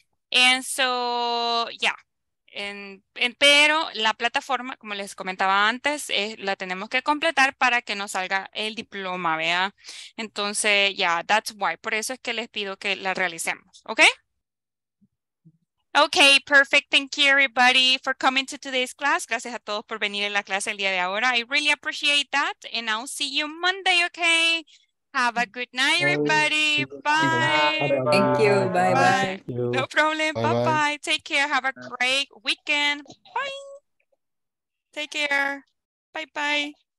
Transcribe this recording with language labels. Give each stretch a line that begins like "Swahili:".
English: And so, yeah,
Spanish: pero la plataforma, como les comentaba antes, la tenemos que completar para que nos salga el diploma, ¿vea?
English: Entonces, yeah, that's why.
Spanish: Por eso es que les pido que la realicemos, ¿ok?
English: Ok, perfect. Thank you, everybody, for coming to today's class.
Spanish: Gracias a todos por venir en la clase el día de ahora.
English: I really appreciate that. And I'll see you Monday, ¿ok? Have a good night, everybody. Bye. Thank you. Bye-bye. No problem. Bye-bye. Take care. Have a great weekend. Bye. Take care. Bye-bye.